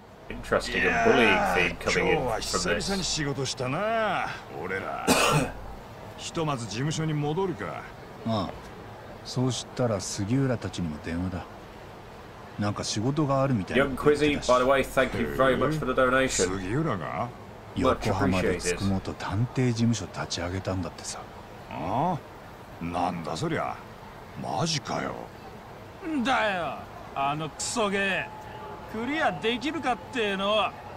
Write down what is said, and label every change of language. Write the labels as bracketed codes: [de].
[en] Interesting and bullying theme coming in from this. [ja] 今日は久々に仕事したな、俺ら。ひとまず事務所に戻るか。ああ、そうしたら杉浦たちにも電話だ。なんか仕事があるみたいな。 [en] Young Quizzy, by the way, thank you very much for the donation. [ja] 杉浦が横浜でつくもと探偵事務所立ち上げたんだってさ。ああ、なんだそりゃ。マジかよ。だよ、あのクソゲークリアできるかっての。